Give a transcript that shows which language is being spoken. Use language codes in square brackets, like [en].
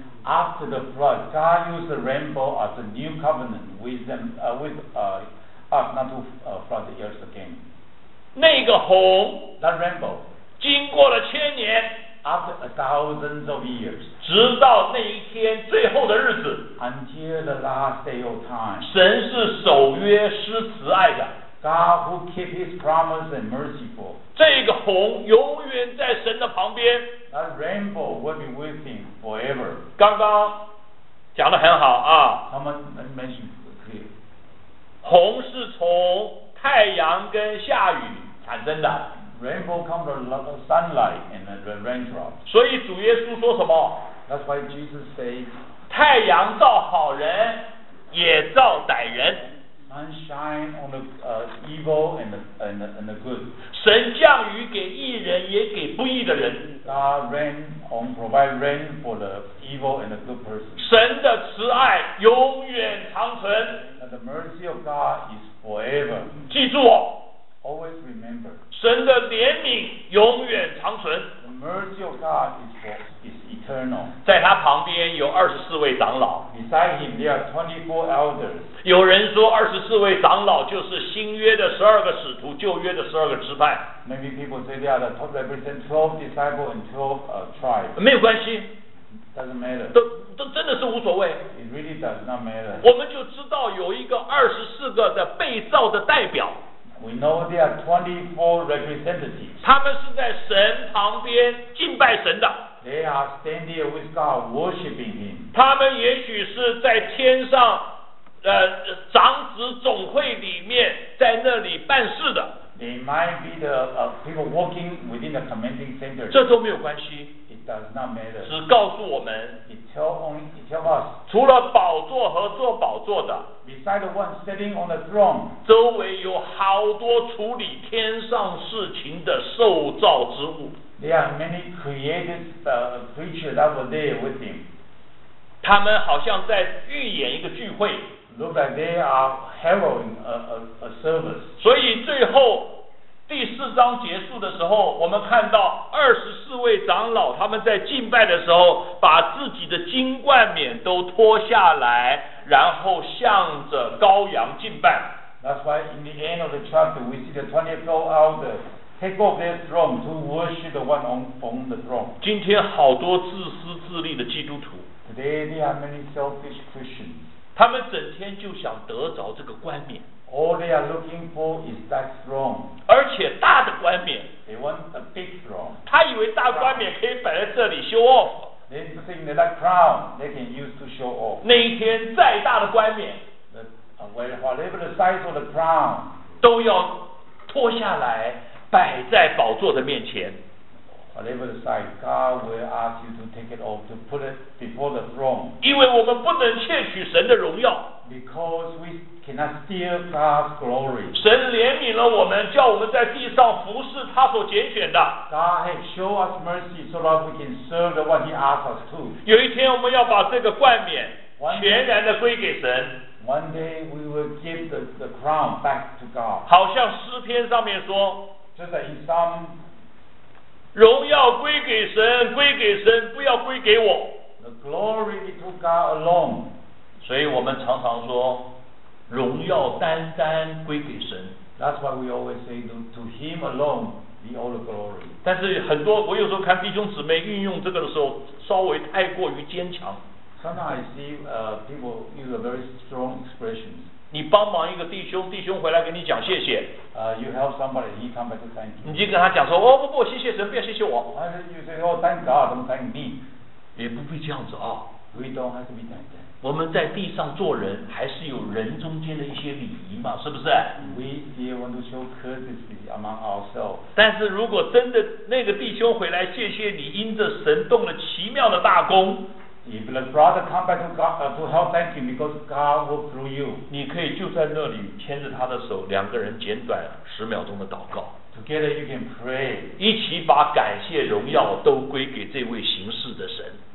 [en] After the flood, God used the rainbow as a new covenant with them, with us not to flood the earth again. [zh] 那个红 [en] That rainbow [zh] 经过了千年 [en] After a thousands of years [zh] 直到那一天最后的日子 [en] Until the last day of time [zh] 神是守约施慈爱的 [en] God who keep his promise and merciful [zh] 这个红永远在神的旁边 [en] That rainbow will be with him forever [zh] 刚刚讲得很好啊 [en] Someone mentioned clear [zh] 红是从太阳跟下雨产生的 [en] rainbow comes from sunlight and the raindrops [zh] 所以主耶稣说什么 [en] that's why Jesus says [zh] 太阳照好人也照歹人 [en] sunshine on the evil and the good [zh] 神降雨给义人也给不义的人 [en] God rain on provide rain for the evil and the good person [zh] 神的慈爱永远长存 [en] and the mercy of God is forever [zh] 记住哦 [en] always remember [zh] 神的怜悯永远长存 [en] the mercy of God is eternal eternal. [zh] 在他旁边有24位长老。 [en] Beside him there are 24 elders. [zh] 有人说24位长老就是新约的12个使徒，旧约的12个支派。 [en] Maybe people say they are the represent 12 disciples and 12 tribes. [zh] 没有关系。 [en] Doesn't matter. [zh] 都真的是无所谓。 [en] It really does not matter. [zh] 我们就知道有一个24个的被造的代表。 [en] We know there are 24 representatives. [zh] 他们是在神旁边敬拜神的。 [en] They are standing with God, worshiping Him. [zh] 他们也许是在天上，长子总会里面在那里办事的。 [en] They might be the people working within the commanding center. [zh] 这都没有关系。 [en] It does not matter. [zh] 只告诉我们。 [en] It tells us. [zh] 除了宝座和坐宝座的。 [en] Beside the one sitting on the throne. [zh] 周围有好多处理天上事情的受造之物。 [en] There are many created creatures that were there with him. [zh] 他们好像在预演一个聚会。 [en] Look like they are heralding a service. [zh] 所以最后第四章结束的时候，我们看到24位长老他们在敬拜的时候，把自己的金冠冕都脱下来，然后向着羔羊敬拜。 [en] That's why in the end of the chapter we see the 24 elders take off their throne to worship the one on the throne. [zh] 今天好多自私自利的基督徒。 [en] Today there are many selfish Christians. [zh] 他们整天就想得着这个冠冕。 [en] All they are looking for is that throne. [zh] 而且大的冠冕。 [en] They want a big throne. [zh] 他以为大冠冕可以摆在这里 [en] show off. They think that crown they can use to show off. [zh] 那一天再大的冠冕。 [en] Whatever the size of the crown. [zh] 都要脱下来摆在宝座的面前。 [en] Whatever the size, God will ask you to take it off, to put it before the throne. [zh] 因为我们不能窃取神的荣耀。 [en] Because we cannot steal God's glory. [zh] 神怜悯了我们，叫我们在地上服侍他所拣选的。 [en] God has shown us mercy so that we can serve the one he asked us to. [zh] 有一天我们要把这个冠冕全然的归给神。 [en] One day we will give the crown back to God. [zh] 好像诗篇上面说。 [en] Just like in Psalm [zh] 荣耀归给神，归给神，不要归给我。 [en] The glory be to God alone. [zh] 所以我们常常说，荣耀单单归给神。 [en] That's why we always say to Him alone be all the glory. [zh] 但是很多，我有时候看弟兄姊妹运用这个的时候，稍微太过于坚强。 [en] Sometimes I see people use a very strong expression. [zh] 你帮忙一个弟兄，弟兄回来给你讲谢谢。 [en] You help somebody, he come back to thank you. [zh] 你就跟他讲说，哦不不，谢谢神，不要谢谢我。 [en] Why don't you say, oh, thank God, don't thank me? [zh] 也不必这样子啊。 [en] We don't have to be thankful. [zh] 我们在地上做人，还是有人中间的一些礼仪嘛，是不是？ [en] We still want to show courtesy among ourselves. [zh] 但是如果真的那个弟兄回来谢谢你，因着神动了奇妙的大功。 [en] If the brother come back to God to help thank you because God worked through you, [zh] 你可以就在那里牵着他的手，两个人简短10秒钟的祷告。 [en] Together you can pray. [zh] 一起把感谢荣耀都归给这位行事的神。